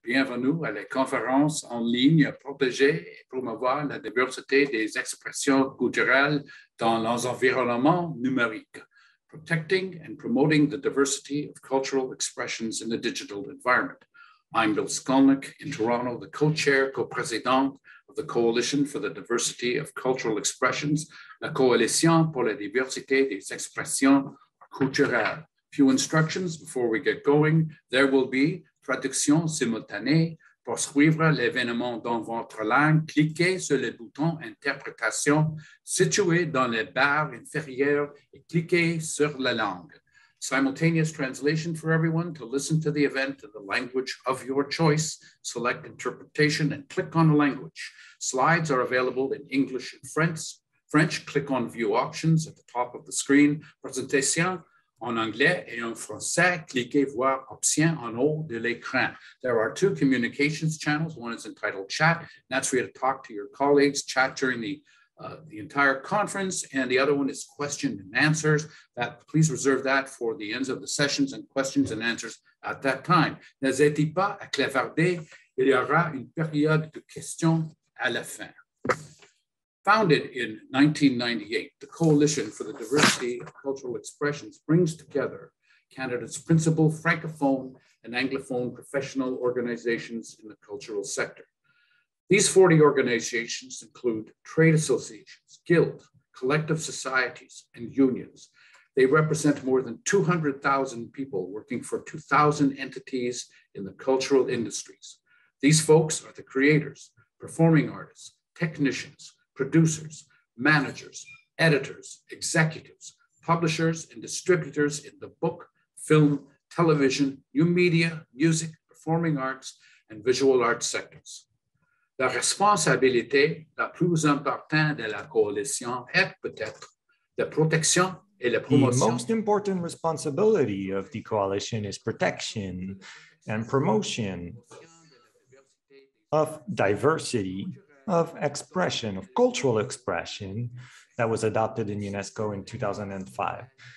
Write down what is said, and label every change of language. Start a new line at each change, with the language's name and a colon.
French: Bienvenue à la conférence en ligne Protéger et promouvoir la diversité des expressions culturelles dans l'environnement numérique.
English: Protecting and promoting the diversity of cultural expressions in the digital environment. I'm Bill Skolnik in Toronto, the co-chair, co-president of the Coalition for the Diversity of Cultural Expressions, la Coalition pour la diversité des expressions culturelles. Few instructions before we get going. There will be
French: traduction simultanée. Pour suivre l'événement dans votre langue, cliquez sur le bouton interprétation situé dans la barre inférieure et cliquez sur la langue.
English: Simultaneous translation for everyone to listen to the event in the language of your choice. Select interpretation and click on the language. Slides are available in English and French. Click on view options at the top of the screen.
French: Presentation en anglais et en français, cliquez voir option en haut de l'écran.
English: There are two communications channels. One is entitled chat. That's where you talk to your colleagues, chat during the entire conference. And the other one is question and answers. That, please reserve that for the ends of the sessions and questions and answers at that time.
French: N'hésitez pas à clavarder. Il y aura une période de questions à la fin.
English: Founded in 1998, the Coalition for the Diversity of Cultural Expressions brings together Canada's principal Francophone and Anglophone professional organizations in the cultural sector. These 40 organizations include trade associations, guilds, collective societies, and unions. They represent more than 200,000 people working for 2,000 entities in the cultural industries. These folks are the creators, performing artists, technicians, producers, managers, editors, executives, publishers, and distributors in the book, film, television, new media, music, performing arts, and visual arts sectors.
French: La responsabilité la plus importante de la coalition est peut-être la protection.
English: The most important responsibility of the coalition is protection and promotion of diversity of expression, of cultural expression, that was adopted in UNESCO in 2005.